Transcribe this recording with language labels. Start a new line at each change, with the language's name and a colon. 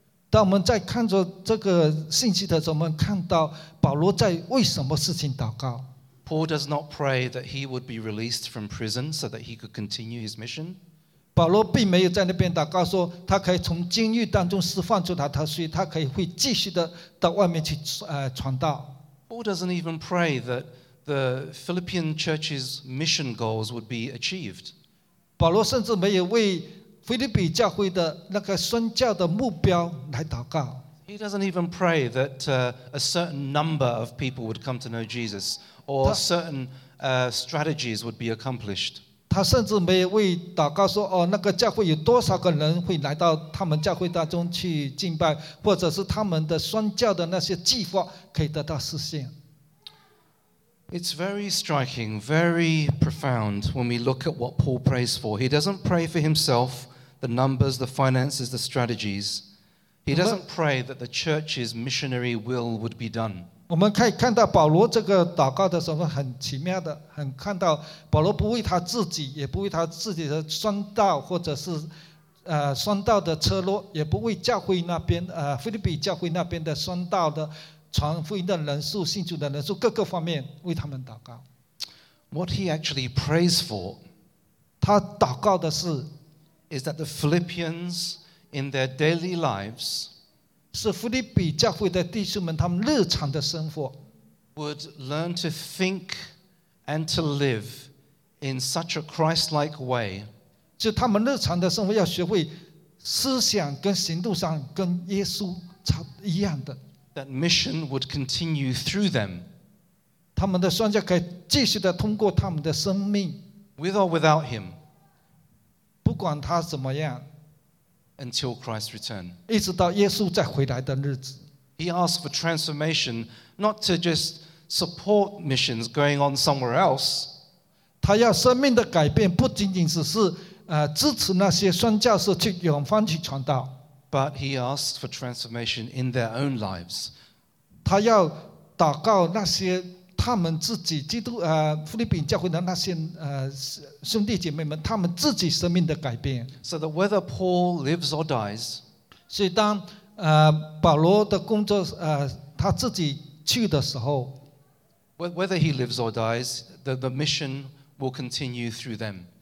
Chinese: 当我们在看着这个信息的时候，我们看到保罗在为什么事情祷告。
English: Paul does not pray that he would be released from prison so that he could continue his mission.
Chinese: 保罗并没有在那边祷告说他可以从监狱当中释放出他，他所以他可以会继续的到外面去传道。
English: Paul doesn't even pray that the Philippian church's mission goals would be achieved.
Chinese: 保罗甚至没有为腓立比教会的那个宣教的目标来祷告。
English: He doesn't even pray that a certain number of people would come to know Jesus. Or certain strategies would be accomplished.
Chinese: 他甚至没有为祷告说哦，那个教会有多少个人会来到他们教会当中去敬拜，或者是他们的双教的那些计划可以得到实现。
English: It's very striking, very profound when we look at what Paul prays for. He doesn't pray for himself, the numbers, the finances, the strategies. He doesn't pray that the church's missionary will would be done.
Chinese: 我们可以看到保罗这个祷告的时候很奇妙的，很看到保罗不为他自己，也不为他自己的宣道或者是宣道的车落，也不为教会那边腓立比教会那边的宣道的传福音的人数、信主的人数各个方面为他们祷告。
English: What he actually prays for,
Chinese: 他祷告的是
English: is that the Philippians in their daily lives.
Chinese: 是腓立比教会的弟兄们他们日常的生活
English: would learn to think and to live in such a Christ-like way
Chinese: 就他们日常的生活要学会思想跟行动上跟耶稣一样的
English: that mission would continue through them
Chinese: 他们的宣教可以继续的通过他们的生命
English: with or without him
Chinese: 不管他怎么样
English: Until Christ return.
Chinese: 一直到耶稣再回来的日子。
English: He asked for transformation, not to just support missions going on somewhere else.
Chinese: 他要生命的改变，不仅仅只是支持那些宣教士去远方去传道。
English: But he asked for transformation in their own lives.
Chinese: 他要祷告那些他们自己基督腓立比教会的那些兄弟姐妹们他们自己生命的改变
English: so that whether Paul lives or dies
Chinese: 所以当保罗的工作他自己去的时候
English: whether he lives or dies the mission will continue through them